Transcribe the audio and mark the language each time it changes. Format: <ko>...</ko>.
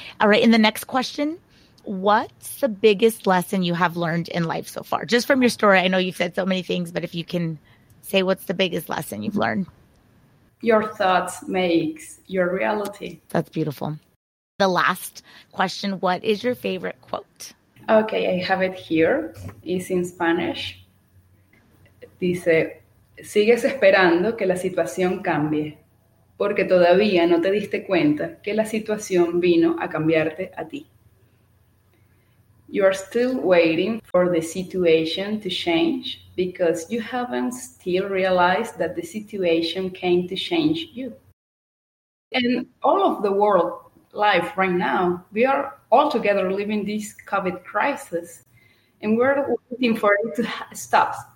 <en>All right. And the next question, what's the biggest lesson you have learned in life so far? Just from your story, I know you've said so many things, but if you can say what's the biggest lesson you've learned. Your thoughts makes your reality. That's beautiful. The last question, what is your favorite quote? Okay. I have it here. It's in Spanish.</en> <es>Dice, sigues esperando que la situación cambie, porque todavía no te diste cuenta que la situación vino a cambiarte a ti.</es> <en>You are still waiting for the situation to change because you haven't still realized that the situation came to change you. And all of the world life right now, we are all together living this COVID crisis, and we're waiting for it to stop.</en>